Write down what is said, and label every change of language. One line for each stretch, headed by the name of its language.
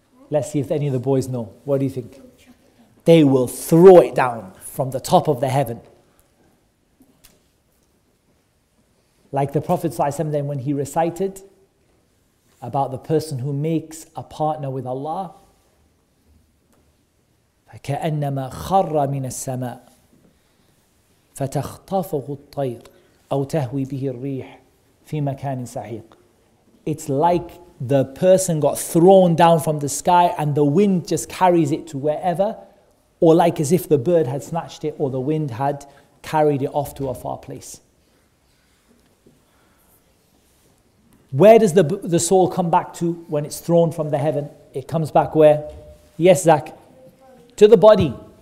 English: Let's see if any of the boys know. What do you think? They will throw it down from the top of the heaven. Like the Prophet ﷺ, then when he recited about the person who makes a partner with Allah,
Arabic: كأنما خر من السماء فتخطفه الطير أو تهوي به الريح في مكان سحيق.
English: It's like the person got thrown down from the sky and the wind just carries it to wherever, or like as if the bird had snatched it or the wind had carried it off to a far place. Where does the soul come back to when it's thrown from the heaven? It comes back where? Yes, Zach? To the body.